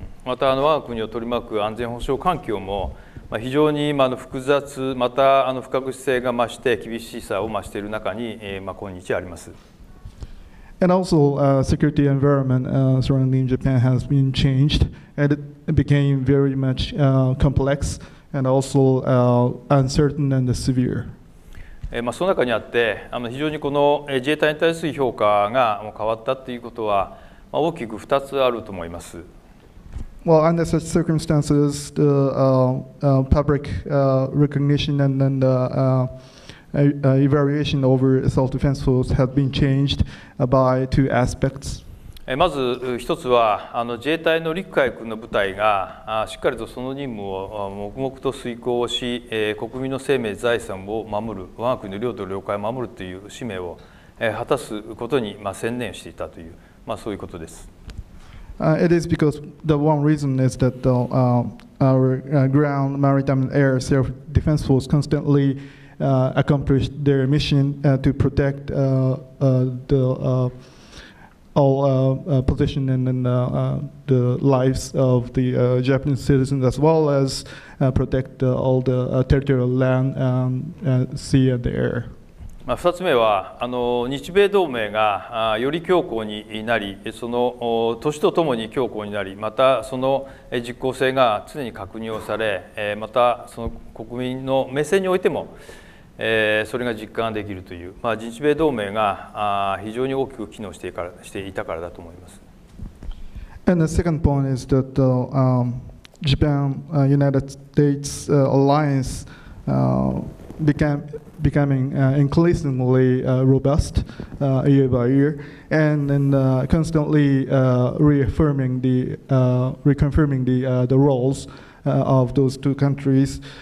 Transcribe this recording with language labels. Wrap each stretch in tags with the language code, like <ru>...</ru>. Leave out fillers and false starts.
<ja>また我が国を取り巻く安全保障環境も非常に今複雑また不確実性が増して厳しさを増している中に今日あります。</ja> <en>And also, security environment surrounding Japan has been changed, and it became very much complex and also uncertain and severe.</en> <ja>まあ、その中にあって、非常にこの自衛隊に対する評価が変わったということは、まあ、大きく2つあると思います。</ja> <en>Well, under such circumstances, the public recognition and then the evaluation over self-defense force has been changed by two aspects.</en> <ja>まず一つは自衛隊の陸海軍の部隊がしっかりとその任務を黙々と遂行し、国民の生命財産を守る、我が国の領土領海を守るという使命を果たすことに専念していたという、まあ、そういうことです。</ja> <en>It is because the one reason is that the, our ground, maritime and air self-defense force constantlyaccomplished their mission to protect the all position and then the lives of the Japanese citizens as well as protect all the territorial land and sea and the air.</en> <ja>まあ、2つ目は日米同盟がより強固になり、その年とともに強固になり、またその実効性が常に確認をされ、またその国民の目線においてもそれが実感できるという、まあ、日米同盟が非常に大きく機能していから、していたからだと思います。</ja> <en>And the second point is that the Japan United States alliance becoming increasingly robust year by year and then constantly reaffirming the reconfirming the roles of those two countries.</en>